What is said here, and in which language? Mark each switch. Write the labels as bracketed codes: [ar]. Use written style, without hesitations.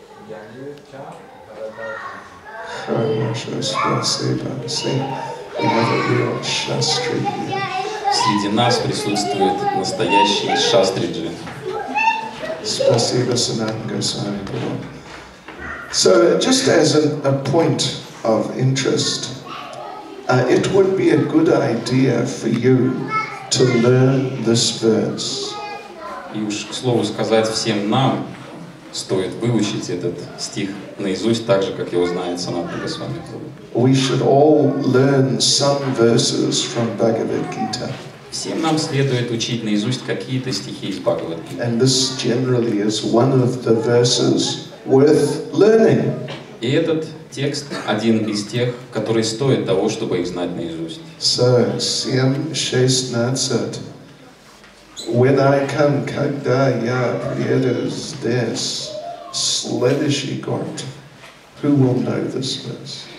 [ru] Янир Ча Харадарси. Хорошо, спасибо. Спасибо. Спасибо. Шастриджи. Среди нас присутствует настоящий Шастриджи. Спасибо, Санат Госвами Прабху. [en] So, just as a point of interest, it would be a good idea for you to learn this verse. [ru] И уж, к слову сказать, всем нам стоит выучить этот стих наизусть, так же, как его знает Санат Госвами Прабху. [en] We should all learn some verses from Bhagavad Gita. [ru] Всем нам следует учить наизусть какие-то стихи из Бхагавад-гиты. [en] And this generally is one of the verses worth learning. [ru] И этот текст один из тех, которые стоят того, чтобы их знать наизусть. [en] So, 7:16. When I come, [ru] когда я приеду здесь, следующий год, [en] who will know this verse?